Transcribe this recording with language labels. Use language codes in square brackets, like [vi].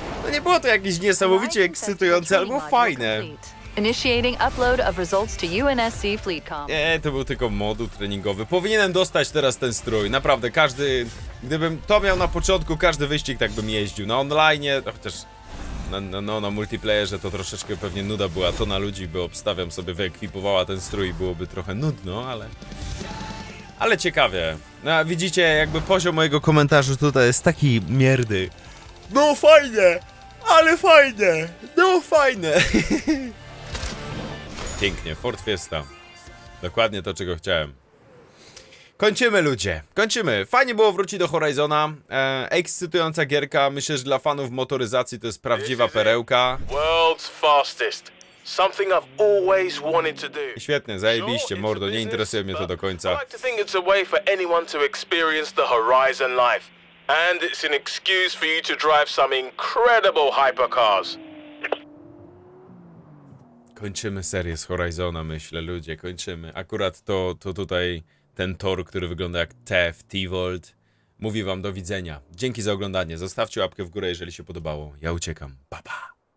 [pl] No nie było to jakieś niesamowicie ekscytujące, ale było fajne. [en] Initiating upload of results to UNSC Fleetcom. [pl] Nie, to był tylko moduł treningowy. Powinienem dostać teraz ten strój. Naprawdę, każdy, gdybym to miał na początku, każdy wyścig tak bym jeździł. Na online, chociaż na multiplayerze to troszeczkę pewnie nuda była. To na ludzi, bo obstawiam sobie, wyekwipowała ten strój i byłoby trochę nudno, ale... Ale ciekawie. No, widzicie, jakby poziom mojego komentarzu tutaj jest taki mierdy. No fajnie! Ale fajnie! No fajnie! Pięknie, Ford Fiesta. Dokładnie to, czego chciałem. Kończymy, ludzie. Kończymy. Fajnie było wrócić do Horizona. Ekscytująca gierka. Myślę, że dla fanów motoryzacji to jest prawdziwa perełka. [en] World's fastest. Something I've always wanted to do. [pl] Świetnie, zajebiście, mordo. Nie interesuje mnie to do końca. [en] I like to think it's a way for anyone to experience the Horizon life. And it's an excuse for you to drive some incredible hypercars. [pl] Kończymy serię z Horizona, myślę, ludzie, kończymy. Akurat to tutaj ten tor, który wygląda jak T-Volt, mówi wam do widzenia. Dzięki za oglądanie. Zostawcie łapkę w górę, jeżeli się podobało. Ja uciekam. Pa, pa.